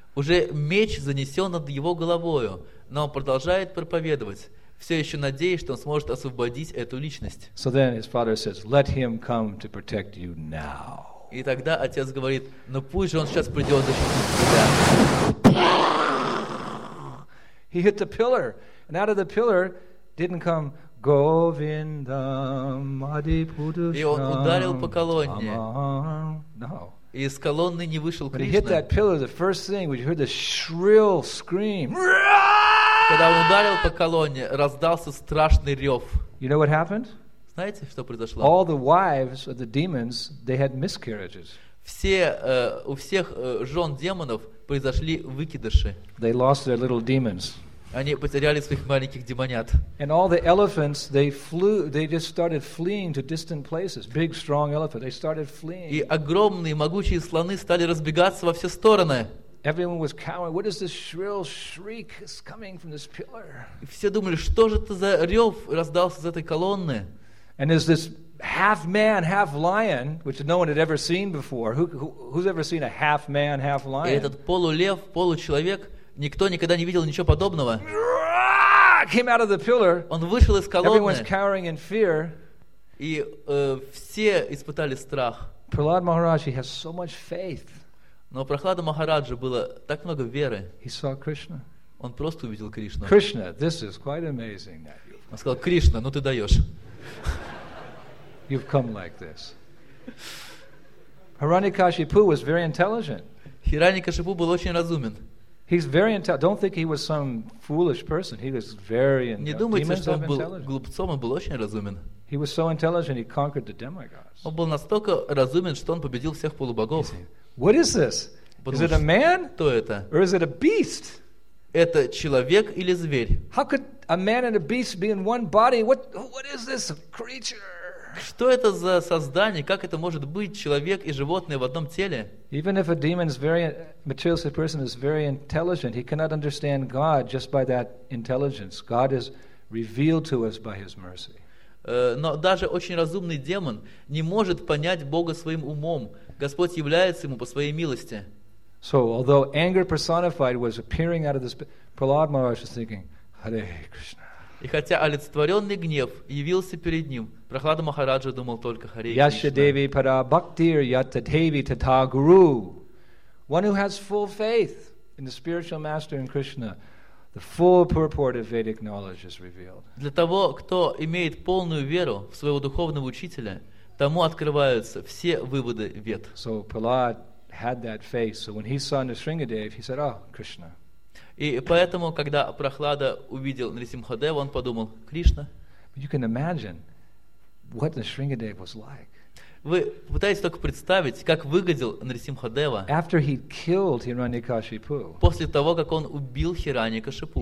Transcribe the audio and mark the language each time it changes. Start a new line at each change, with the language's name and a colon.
Russian: Уже меч занесен над его головою, но он продолжает проповедовать, все еще надеясь, что он сможет освободить эту личность. И тогда отец говорит, ну пусть же он сейчас придет защитить тебя.
English: And out of the pillar didn't come Govinda Madhipudushnam. No.
Russian: Из колонны не вышел Кришна.
English: But he hit that pillar, the first thing, when you heard the shrill scream.
Russian: Когда он ударил по колонне, раздался страшный рев.
English: You know what happened?
Russian: Знаете, что произошло?
English: All the wives of the demons, they had miscarriages.
Russian: Все, у всех жен демонов произошли выкидыши.
English: They lost their little demons.
Russian: Они потеряли своих маленьких демонят.
English: And all the elephants, they flew, they just started fleeing to distant places. Big, strong elephant, they started fleeing.
Russian: И огромные, могучие слоны стали разбегаться во все стороны.
English: Everyone was cowering. What is this shrill shriek coming from this pillar?
Russian: И все думали, что же это за рев раздался из этой колонны?
English: And is this half man, half lion, which no one had ever seen before? Who's ever seen a half man, half lion?
Russian: И этот полулев, получеловек. Никто никогда не видел ничего подобного.
English: Came out of the pillar.
Russian: Он вышел из колонны.
English: Everyone's cowering in fear.
Russian: И все испытали страх.
English: Prahlada Maharaj, he has so much faith.
Russian: Но у Прохлады Махараджа было так много веры.
English: He saw Krishna.
Russian: Он просто увидел Кришну.
English: Krishna, this is quite amazing.
Russian: Он сказал, Кришна, ну ты даешь.
English: You've come like this. Hiranyakashipu was very intelligent.
Russian: Hiranyakashipu был очень разумен.
English: He's very intelligent. Don't think he was some foolish person. He was very intelligent.
Russian: Не думайте, что он был глупцом, он был очень разумен.
English: He was so intelligent, he conquered the demigods.
Russian: Он был настолько разумен, что он победил всех полубогов.
English: What is this? Is it a man?
Russian: Кто это?
English: Or is it a beast?
Russian: Это человек или зверь?
English: How could a man and a beast be in one body? What is this creature?
Russian: Что это за создание? Как это может быть человек и животное в одном теле?
English: Even if a demon is very materialistic person is very intelligent, he cannot understand God just by that intelligence. God is revealed to us by His mercy.
Russian: Но даже очень разумный демон не может понять Бога своим умом. Господь является ему по своей милости. So, although anger personified was appearing out of this, Prahlada Maharaj was thinking, Hare Krishna. И хотя олицетворенный гнев явился перед ним, Прохлада Махараджа думал только Харе
Sanskrit: Кришна. Яшадеви пара бхактир ятадеви тата гуру.
English: One who has full faith in the spiritual master in Krishna, the full purport of Vedic knowledge is revealed.
Russian: Для того, кто имеет полную веру в своего духовного учителя, тому открываются все выводы Вед.
English: So Prahlad had that faith. So when he saw Nisringadev, he said, "Oh, Krishna."
Russian: И поэтому, когда Прохлада увидел Нрисимхадева, он подумал, Кришна.
English: You can imagine what Nrisimhadeva was like.
Russian: Вы пытаетесь только представить, как выглядел Нрисимхадева.
English: After he killed Hiranyakashipu,
Russian: после того, как он убил Хираньякашипу,